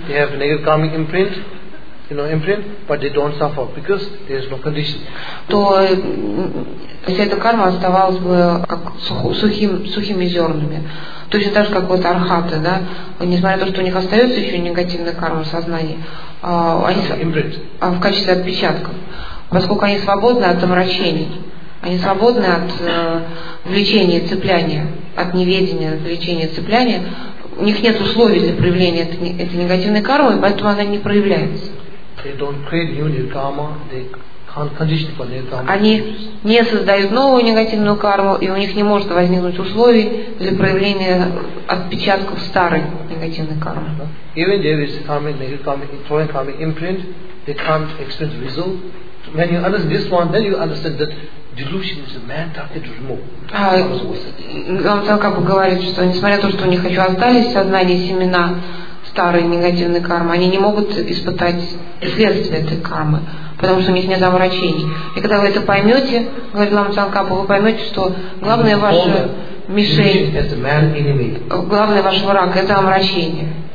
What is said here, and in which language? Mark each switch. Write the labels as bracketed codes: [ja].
[en] they have negative karmic imprint, you know, imprint, but they don't suffer because there is no condition. [ru] То вся эта карма оставалась бы как сухими зернами. Точно так же, как вот архаты, да, несмотря на то, что у них остается еще негативная карма в сознании, в качестве отпечатков, поскольку они свободны от омрачений, они свободны от влечения и цепляния, от неведения, от влечения и цепляния, у них нет условий для проявления этой негативной кармы, поэтому она не проявляется. [en] They don't create new karma, they can't condition for their karma. [ru] Они не создают новую негативную карму, и у них не может возникнуть условий для проявления отпечатков старой негативной кармы. [en] Even if there is karmic, negative karmic, throwing karmic imprint, they can't experience result. When you understand this one, then you understand that delusion is a man-target remove. [ru] Он как бы говорит, что несмотря на то, что у них еще остались сознание семена старой негативной кармы, они не могут испытать следствия этой кармы, потому что у них нет омрачений. И когда вы это поймете, говорит Лама Цанкапа, вы поймете, что главное ваше мишень, главное ваш враг – это омрачение.